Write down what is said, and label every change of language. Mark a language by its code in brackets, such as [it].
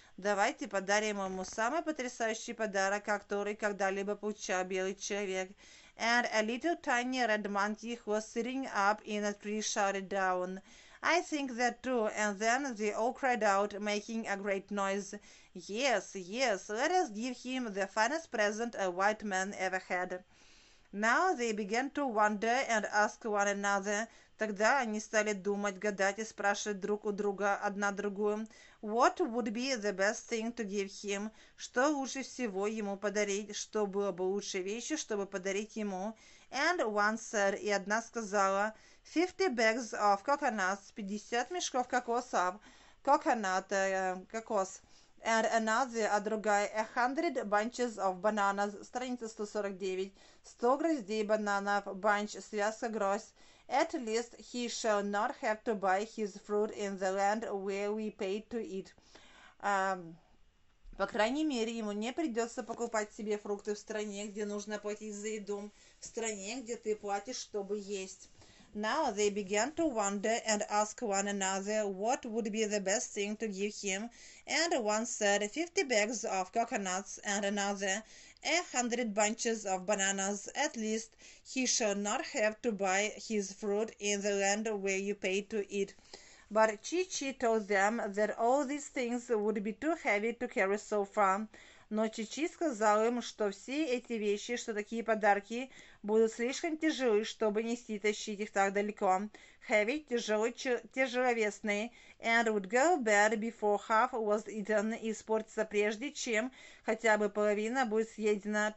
[ru] Давайте подарим ему самый потрясающий подарок, который когда-либо получал белый человек. [en] And a little tiny red monkey, who was sitting up in a tree, shouted down. I think that too. And then they all cried out, making a great noise. Yes, yes, let us give him the finest present a white man ever had. Now they began to wonder and ask one another. [ru] Тогда они стали думать, гадать и спрашивать друг у друга, одна другую. [en] What would be the best thing to give him? [ru] Что лучше всего ему подарить? Что было бы лучшей вещью, чтобы подарить ему? [en] And one said, [ru] и одна сказала, [en] 50 bags of coconuts, [ru] 50 мешков кокосов. [en] Coconut, кокос. And another, [ru] а другая, [en] 100 bunches of bananas, [ru] страница 149, 100 гроздей бананов, [en] bunch, [ru] связка, гроздь, [en] at least he shall not have to buy his fruit in the land where we pay to eat. [ru] По крайней мере, ему не придется покупать себе фрукты в стране, где нужно платить за еду, в стране, где ты платишь, чтобы есть. [en] Now they began to wonder and ask one another what would be the best thing to give him, and one said 50 bags of coconuts, and another 100 bunches of bananas, at least he shall not have to buy his fruit in the land where you pay to eat. But Чичи told them that all these things would be too heavy to carry so far. [ru] Но Чичи сказал им, что все эти вещи, что такие подарки, будут слишком тяжелы, чтобы нести и тащить их так далеко. Heavy, тяжелый, тяжеловесный. [en] And would go bad before half was eaten, [ru] и испортится прежде, чем хотя бы половина будет съедена.